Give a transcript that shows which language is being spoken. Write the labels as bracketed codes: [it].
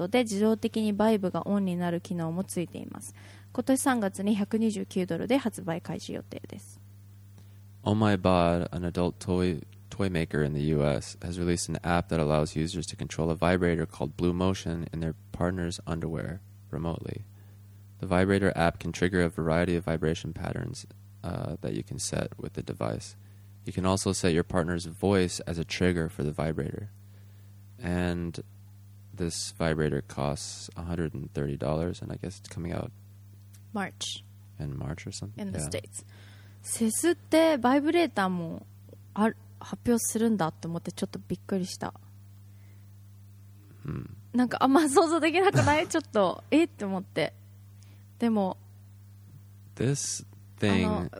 [ja] また、あらかじめ録音していた音を流すことで、自動的にバイブがオンになる機能もついています。今年3月に129ドルで発売開始予定です。 [en] Oh My Bot, an adult toy maker in the U.S., has released an app that allows users to control a vibrator called Blue Motion in their partner's underwear remotely. The vibrator app can trigger a variety of vibration patterns that you can set with the device. You can also set your partner's voice as a trigger for the vibrator. And this vibrator costs $130, and I guess it's coming out March. In March or something? In the States. [ja] セスってバイブレーターもある。発表するんだって思ってちょっとびっくりした。なんかあんま想像できなくない?ちょっと、えって思って。でも、 [en] This thing...